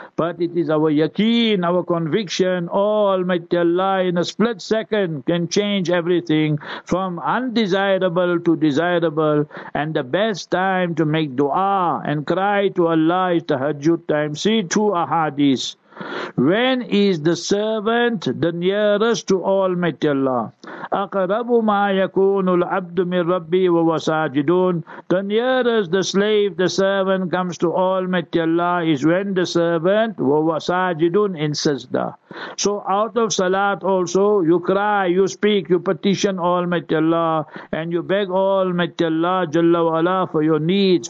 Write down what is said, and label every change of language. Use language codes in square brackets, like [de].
[en] But it is our yakin, our conviction, Almighty Allah in a split second can change everything from undesirable to desirable. And the best time to make dua and cry to Allah is tahajjud time. See two ahadith. When is the servant the nearest to Almighty Allah? [ar] أقرب ما يكون العبد من ربي وهو ساجدون. [en] The nearest the slave, the servant comes to Almighty Allah is when the servant [ar] وهو ساجدون [en] in sajda. So out of salat also you cry, you speak, you petition Almighty Allah and you beg Almighty Allah Jalla wa Ala for your needs.